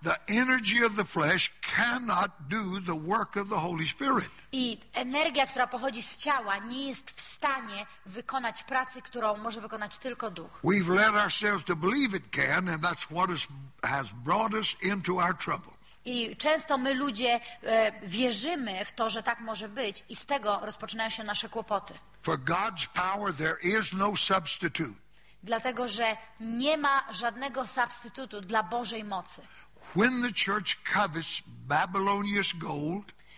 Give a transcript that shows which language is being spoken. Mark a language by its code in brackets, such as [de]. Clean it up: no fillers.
[en] The energy of the flesh cannot do the work of the Holy Spirit. [pl] I energia, która pochodzi z ciała, nie jest w stanie wykonać pracy, którą może wykonać tylko duch. [en] We've led ourselves to believe it can, and that's what has brought us into our trouble. [pl] I często my ludzie wierzymy w to, że tak może być, i z tego rozpoczynają się nasze kłopoty. [en] For God's power, there is no substitute. [pl] Dlatego, że nie ma żadnego substytutu dla Bożej mocy. [en] When the church covets Babylonian gold,